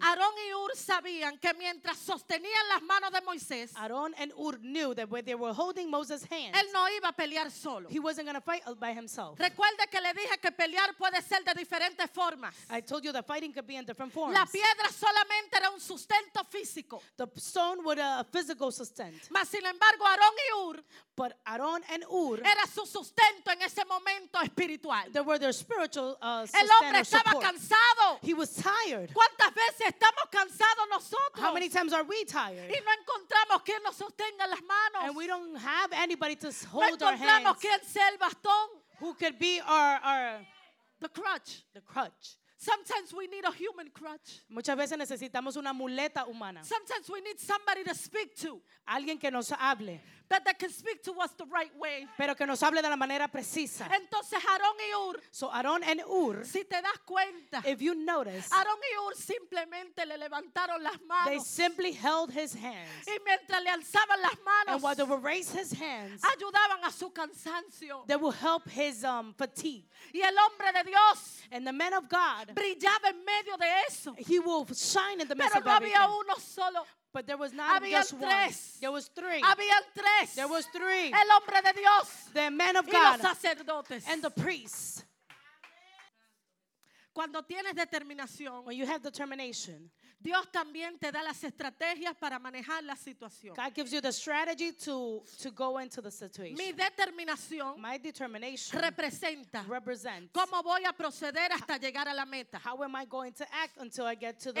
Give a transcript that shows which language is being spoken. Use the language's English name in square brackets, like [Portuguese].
[Spanish] Aarón y Ur sabían que mientras sostenían las manos de Moisés, [English] Aarón and Ur knew that when they were holding Moses' hands, [Spanish] él no iba a pelear solo. [English] He wasn't going to fight by himself. [Spanish] Recuerde que le dije que pelear puede ser de diferentes formas. [English] I told you that fighting could be in different forms. [Spanish] La piedra solamente era un sustento físico. [English] The stone was a physical sustent. [Spanish] Mas, sin embargo, Aarón y Ur, [English] but Aaron and Ur, [Spanish] era su sustento en ese momento espiritual. [English] They were their spiritual sustenance. [Spanish] El hombre estaba cansado. [English] He was tired. [Spanish] ¿Cuántas veces estamos cansados nosotros? [English] How many times are we tired? [Spanish] Y no encontramos quien nos sostenga las manos. [English] And we don't have anybody to hold our hands. [Spanish] No encontramos quien sea el bastón. [English] Who could be our the crutch? The crutch. Sometimes we need a human crutch. [Spanish] Muchas veces necesitamos una muleta humana. [English] Sometimes we need somebody to speak to. [Spanish] Alguien que nos hable. [English] But that can speak to us the right way. [Spanish] Pero que nos hable de la manera precisa. Entonces, Aarón y Ur, [English] so Aarón and Ur, [Spanish] si te das cuenta, [English] if you notice, [Spanish] Aarón y Ur simplemente le levantaron las manos. [English] They simply held his hands. [Spanish] Y mientras le alzaban las manos, [English] and while they would raise his hands, [Spanish] ayudaban a su cansancio. [English] They would help his fatigue. [Spanish] Y el hombre de Dios, [English] and the man of God, [Spanish] brillaba en medio de eso. [English] He will shine in the [Spanish] pero [English] midst of [Spanish] no [English] everything. [Spanish] Había uno solo. [English] But there was not [Spanish] habían [English] just [Spanish] tres. [English] One. There was three. [Spanish] Habían tres. [English] There was three. [Spanish] El hombre de Dios. [English] The man of [Spanish] y [English] God. [Spanish] Los sacerdotes. [English] And the priests. [Spanish] Cuando tienes determinación, [English] when you have determination, [Spanish] Dios también te da las estrategias para manejar la situación. [English] God gives you the strategy to go into the situation. [Spanish] Mi determinación, [English] my determination, [Spanish] represents cómo voy a proceder hasta llegar a la meta. [English] How am I going to act until I get to the